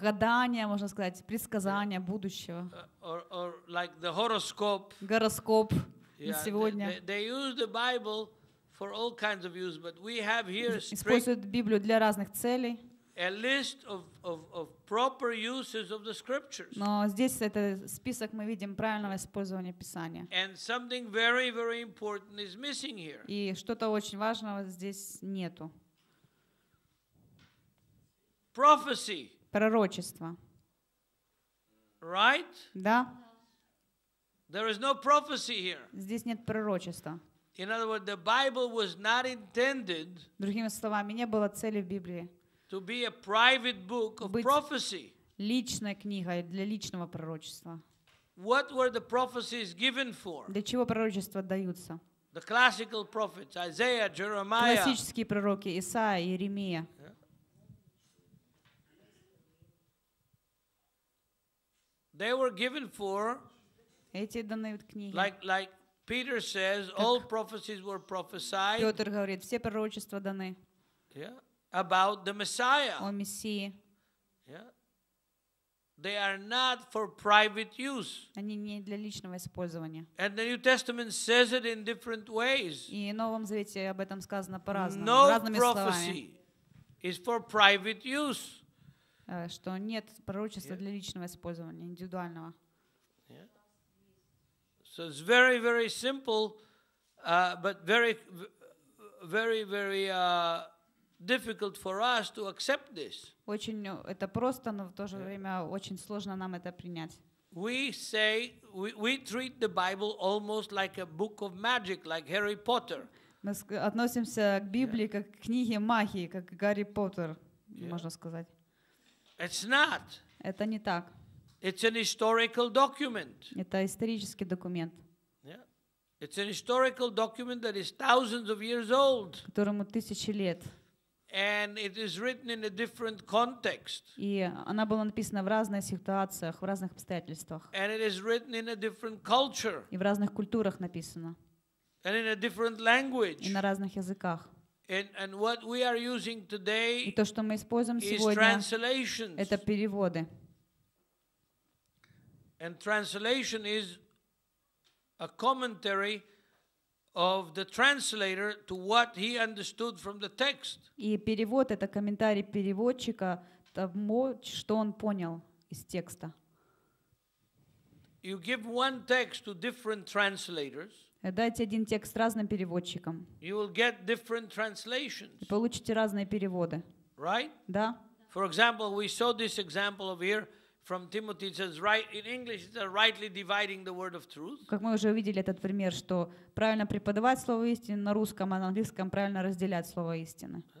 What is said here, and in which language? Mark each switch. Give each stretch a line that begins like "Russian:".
Russian: Гадания, можно сказать, предсказания будущего.
English: Or like the horoscope.
Russian: Гороскоп на сегодня.
English: They use the Bible for all kinds of use, but we have here
Russian: используют Библию для разных целей.
English: A list of proper uses of the scriptures.
Russian: Но здесь это список мы видим правильного использования Писания.
English: And something very, very important is missing here.
Russian: И что-то очень важного здесь нету.
English: Prophecy.
Russian: Пророчество.
English: Right?
Russian: Да.
English: There is no prophecy here.
Russian: Здесь нет пророчества.
English: In other words, the Bible was not intended.
Russian: Другими словами, не было цели в Библии.
English: To be a private book of prophecy.
Russian: личная книга для личного пророчества.
English: What were the prophecies given for?
Russian: Для чего пророчества даются?
English: The classical prophets, Isaiah, Jeremiah.
Russian: Классические пророки Исаия, Иеремия.
English: They were given for.
Russian: Эти даны книги.
English: Like Peter says, all prophecies were prophesied.
Russian: Петр говорит, все пророчества даны.
English: Yeah, about the Messiah.
Russian: О Мессии.
English: They are not for private use.
Russian: Они не для личного использования.
English: And the New Testament says it in different ways.
Russian: И в Новом Завете об этом сказано по-разному, разными словами.
English: No prophecy is for private use.
Russian: Что нет пророчества для личного использования, индивидуального.
English: So it's very, very simple, but very, very, very difficult for us to accept this.
Russian: Очень это просто, но в то же время очень сложно нам это принять.
English: We say we treat the Bible almost like a book of magic, like Harry Potter.
Russian: Мы относимся к Библии как к книге магии, как Гарри Поттер, можно сказать.
English: It's not.
Russian: Это не так.
English: It's an historical document.
Russian: Это исторический документ.
English: Yeah. It's an historical document that is thousands of years old.
Russian: Которому тысячи лет.
English: And it is written in a different context.
Russian: И она была написана в разных ситуациях, в разных обстоятельствах.
English: And it is written in a different culture.
Russian: И в разных культурах написано.
English: And in a different language.
Russian: И на разных языках.
English: And what we are using today.
Russian: И то, что мы используем сегодня.
English: Is translations.
Russian: Это переводы.
English: And translation is a commentary of the translator to what he understood from the text.
Russian: И перевод это комментарий переводчика тому, что он понял из текста.
English: You give one text to different translators.
Russian: Дайте один текст разным переводчикам.
English: You will get different translations.
Russian: Получите разные переводы.
English: Right?
Russian: Да.
English: For example, we saw this example of here. From Timothy says right in English it's rightly dividing the word of truth.
Russian: Как мы уже увидели этот пример, что правильно преподавать слово истины на русском, а на английском правильно разделять слово истины.